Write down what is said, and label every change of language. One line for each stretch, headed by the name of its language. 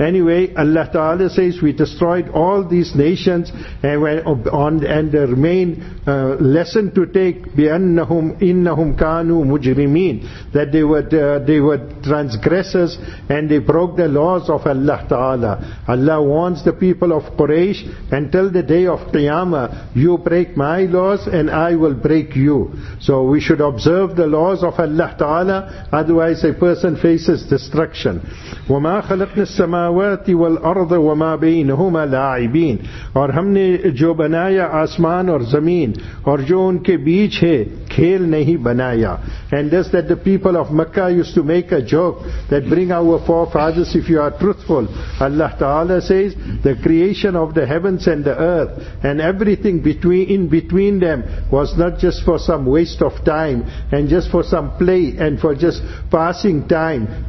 English: Anyway, Allah ta'ala says, we destroyed all these nations, and the main lesson to take,
Arabic: بِأَنَّهُمْ إِنَّهُمْ كَانُوا مُجْرِمِينَ,
English: that they were transgressors, and they broke the laws of Allah Ta'ala. Allah warns the people of Quraysh, until the day of Qiyamah, you break my laws and I will break you. So we should observe the laws of Allah Ta'ala, otherwise a person faces destruction.
Arabic: وَمَا خَلَقْنَا السَّمَاوَاتِ وَالْأَرْضَ وَمَا بَيْنَهُمَا لَاعِبِينَ
Urdu: اور ہم نے جو بنایا آسمان اور زمین اور جو ان کے بیچ ہے کھیل نہیں بنایا.
English: And this that the people of Makkah used to make a joke, that bring our forefathers, if you are truthful, Allah Ta'ala says, the creation of the heavens and the earth and everything in between them was not just for some waste of time and just for some play and for just passing time.